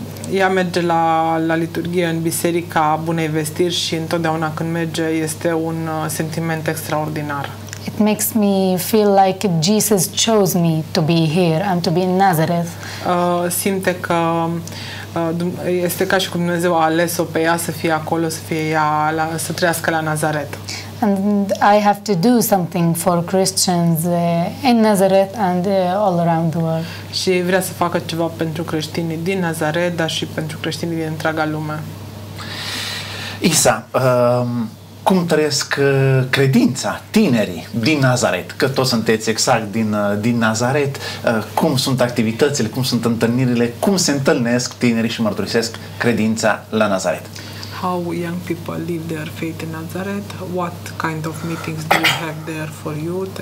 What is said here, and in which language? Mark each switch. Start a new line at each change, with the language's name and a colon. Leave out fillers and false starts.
Romanian: Ea merge la liturghie în Biserica Bunei Vestiri și întotdeauna când merge este un sentiment extraordinar.
English: It makes me feel like Jesus chose me to be here and to be in Nazareth.
Romanian: Simte că este ca și cum Dumnezeu a ales-o pe ea să fie acolo, să fie ea, să trăiască la Nazaret.
English: And I have to do something for Christians in Nazareth and all around the world.
Romanian: Și vrea să facă ceva pentru creștinii din Nazaret, dar și pentru creștinii din întreaga lume. Isa, cum trăiesc credința tinerii din Nazaret? Că toți sunteți exact din Nazaret. Cum sunt activitățile, cum sunt întâlnirile, cum se întâlnesc tinerii și mărturisesc credința la Nazaret?
English: How young people live their faith in Nazareth? What kind of meetings do you have there for youth?